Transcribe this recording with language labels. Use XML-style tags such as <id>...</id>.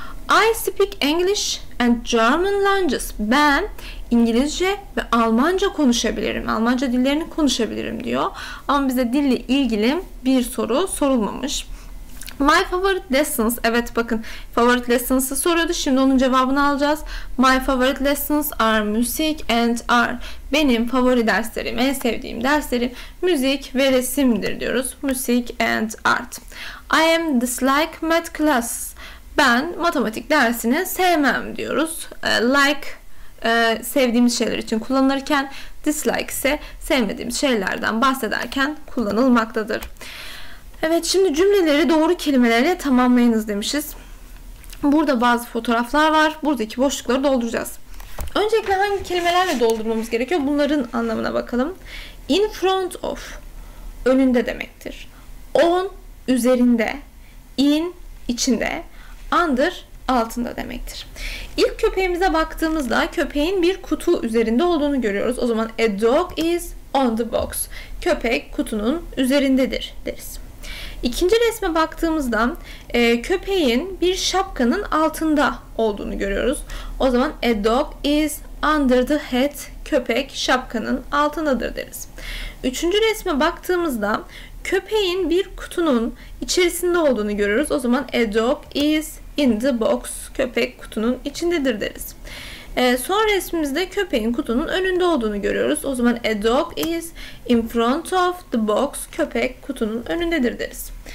<en>I speak English and German languages.</en> <tr>Ben İngilizce ve Almanca konuşabilirim. Almanca dillerini konuşabilirim diyor. Ama bize dille ilgili bir soru sorulmamış.</tr> <en>My favorite lessons.</en> <tr>Evet, bakın, favorite lessons'ı soruyordu. Şimdi onun cevabını alacağız.</tr> <en>My favorite lessons are music and art.</en> <tr>Benim favori derslerim, en sevdiğim derslerim müzik ve resimdir diyoruz.</tr> <en>Music and art. I am dislike math class.</en> <tr>Ben matematik dersini sevmem diyoruz. Like, sevdiğimiz şeyler için kullanılırken, dislike ise sevmediğimiz şeylerden bahsederken kullanılmaktadır. Evet, şimdi cümleleri doğru kelimelerle tamamlayınız demişiz. Burada bazı fotoğraflar var. Buradaki boşlukları dolduracağız. Öncelikle hangi kelimelerle doldurmamız gerekiyor? Bunların anlamına bakalım. In front of, önünde demektir. On, üzerinde. In, içinde. Under, altında demektir. İlk köpeğimize baktığımızda köpeğin bir kutu üzerinde olduğunu görüyoruz. O zaman</tr> <en>a dog is on the box.</en> <tr>Köpek kutunun üzerindedir deriz. İkinci resme baktığımızda köpeğin bir şapkanın altında olduğunu görüyoruz. O zaman</tr> <en>a dog is under the hat.</en> <tr>Köpek şapkanın altındadır deriz. Üçüncü resme baktığımızda köpeğin bir kutunun içerisinde olduğunu görüyoruz. O zaman</tr> <en>a dog is in the box.</en> <tr>Köpek kutunun içindedir deriz. Son resmimizde köpeğin kutunun önünde olduğunu görüyoruz. O zaman</tr> <en>a dog is in front of the box.</en> <tr>Köpek kutunun önündedir deriz.</tr>